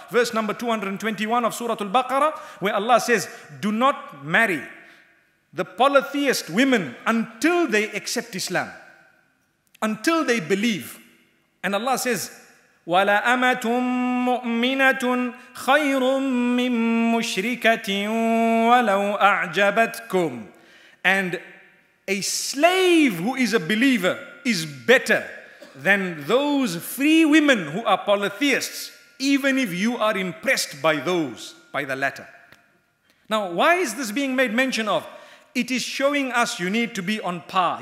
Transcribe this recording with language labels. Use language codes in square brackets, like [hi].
[en] Verse number 221 of Surah Al-Baqarah, where Allah says, do not marry the polytheist women until they accept Islam, until they believe. And Allah says, [ar] وَلَا أَمَةٌ مُؤْمِنَةٌ خَيْرٌ مِّن مُشْرِكَةٍ وَلَوْ أَعْجَبَتْكُمْ. [en] And a slave who is a believer is better than those free women who are polytheists, even if you are impressed by those, by the latter. Now, why is this being made mention of? It is showing us you need to be on par.